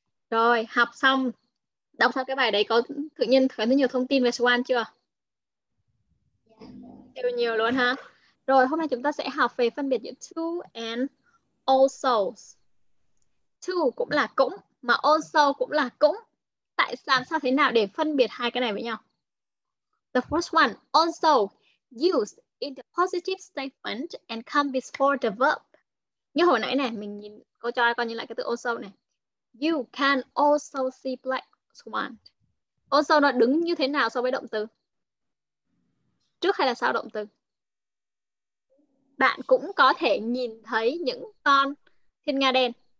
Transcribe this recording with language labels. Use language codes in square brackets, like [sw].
[vi] Rồi, học xong, đọc xong cái bài đấy có tự nhiên thấy rất nhiều thông tin về Swan chưa? Yêu nhiều luôn ha. Rồi, hôm nay chúng ta sẽ học về phân biệt giữa to and also. To cũng là cũng, mà also cũng là cũng. Tại làm sao thế nào để phân biệt hai cái này với nhau? [en] The first one, also used in the positive statement and come before the verb. [vi] Như hồi nãy này, mình nhìn cô cho con nhìn lại cái từ also này. [en] You can also see black swan. [vi] Also nó đứng như thế nào so với động từ? Trước hay là sau động từ? Bạn cũng có thể nhìn thấy những con thiên nga đen.